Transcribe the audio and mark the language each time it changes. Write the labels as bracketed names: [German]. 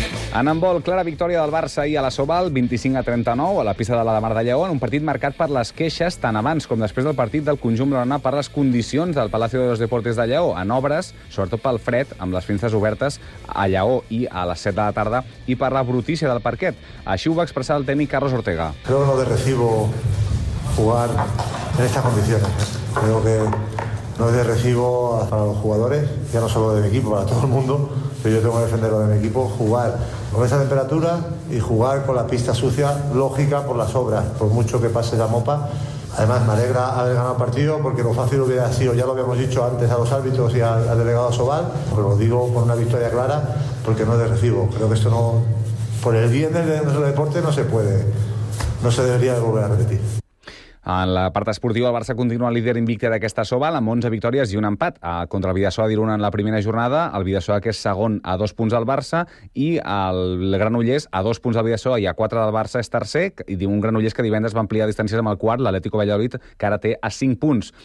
[Catalan] En handbol, clara victòria del Barça ahir a la Sobal, 25-39, a la pista de la de Mar de Lleó, en un partit marcat per les queixes tant abans com després del partit del conjunt blaugrana per les condicions del Palacio de los Deportes de Lleó, en obres, sobretot pel fred, amb les finestres obertes a Lleó i a les 7 de la tarda, i per la brutícia del parquet. Així ho va expressar el tècnic Carlos Ortega. [Spanish] Creo que no de recibo jugar en estas condiciones. Creo que no es de recibo para los jugadores, ya no solo del equipo, para todo el mundo. Yo tengo que defender lo de mi equipo, jugar con esa temperatura y jugar con la pista sucia, lógica, por las obras, por mucho que pase la mopa. Además, me alegra haber ganado el partido, porque lo fácil hubiera sido, ya lo habíamos dicho antes a los árbitros y al delegado Sobal, pero lo digo con una victoria clara, porque no es de recibo. Creo que esto no, por el bien del deporte, no se puede, no se debería de volver a repetir. [Catalan] En la part esportiva, el Barça continua líder invicte d'aquesta Sobal amb 11 victòries i un empat. Contra el Bidassoa, d'Iruna en la primera jornada, el Bidassoa que és segon a 2 punts del Barça, i el Granollers a 2 punts del Bidassoa i a 4 del Barça és tercer, i diu un Granollers que divendres va ampliar distàncies amb el quart, l'Atlético Valladolid, que ara té a 5 punts.